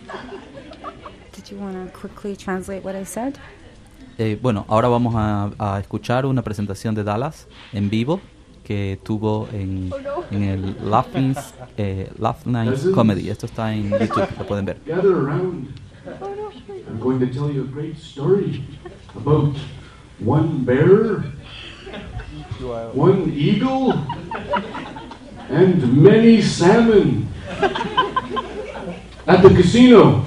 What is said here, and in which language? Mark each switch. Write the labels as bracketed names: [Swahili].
[English] Do you want to quickly translate what I said? [Spanish] Bueno, ahora vamos a escuchar una presentación de Dallas en vivo que tuvo en el Laughlines Comedy. Esto está en YouTube, lo pueden ver. [English] Gather around. I'm going to tell you a great story about one bear, one eagle, and many salmon at the casino.